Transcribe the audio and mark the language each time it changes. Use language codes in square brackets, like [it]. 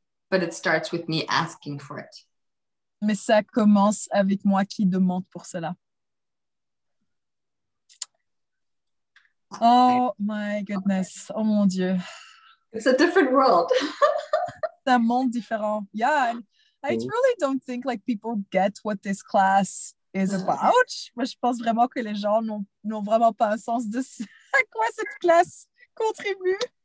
[en] But it starts with me asking for it. [fr] Mais ça commence avec moi qui demande pour cela. [en] Oh my goodness, [fr] oh mon Dieu. [en] It's a different world. [fr] C'est un monde différent. [en] Yeah, I really don't think like people get what this class is about. [fr] Moi, je pense vraiment que les gens n'ont vraiment pas un sens de ce, à quoi cette classe contribue.